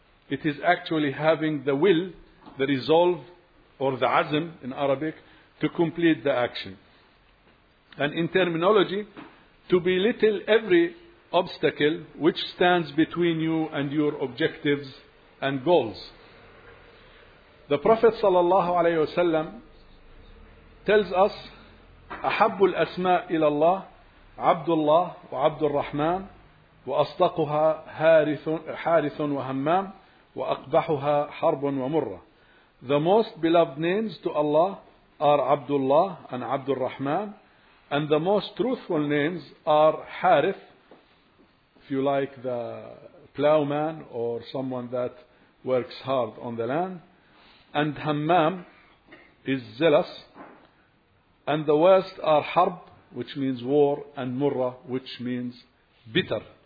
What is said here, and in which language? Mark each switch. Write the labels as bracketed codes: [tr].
[en] It is actually having the will, the resolve, or the azm in Arabic, to complete the action. And in terminology, to belittle every obstacle which stands between you and your objectives and goals. The Prophet sallallahu alayhi wasallam tells us, [ar] أحب الأسماء إلى الله عبد الله وعبد الرحمن وأصدقها حارث وهمام وأقبحها حرب ومرة. [en] The most beloved names to Allah are Abdullah and Abdul Rahman, and the most truthful names are Harith, if you like the plowman or someone that works hard on the land, and Hammam is zealous, and the worst are Harb, which means war, and Murra, which means bitter.